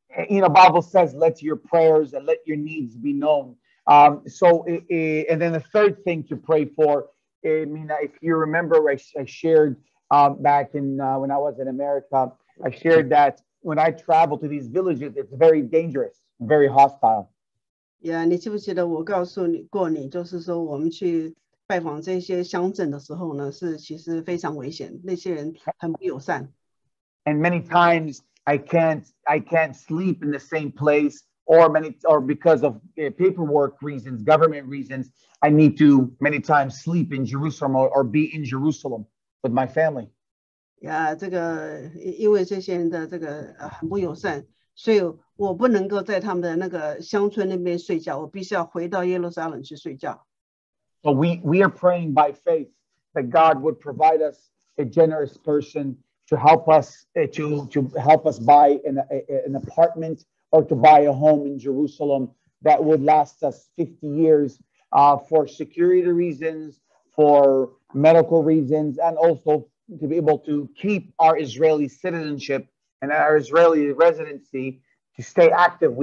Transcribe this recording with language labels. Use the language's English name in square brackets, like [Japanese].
[English] You know, Bible says, let your prayers and let your needs be known. And then the third thing to pray for, Mina, if you remember, I shared back in when I was in America, I shared that when I travel to these villages, it's very dangerous, very hostile. [Chinese] Yeah, 你记不记得我告诉你过你，就是说我们去拜访这些乡镇的时候呢，是其实非常危险，那些人很不友善。 [English] And many times I can't sleep in the same place or because of paperwork reasons, government reasons, I need to many times sleep in Jerusalem or be in Jerusalem with my family. [Chinese] Yeah, 这个因为这些人的这个很不友善，所以我不能够在他们的那个乡村那边睡觉，我必须要回到耶路撒冷去睡觉。 [English] But we are praying by faith that God would provide us a generous person to help us to help us buy an apartment or to buy a home in Jerusalem that would last us 50 years for security reasons, for medical reasons, and also to be able to keep our Israeli citizenship and our Israeli residency to stay active.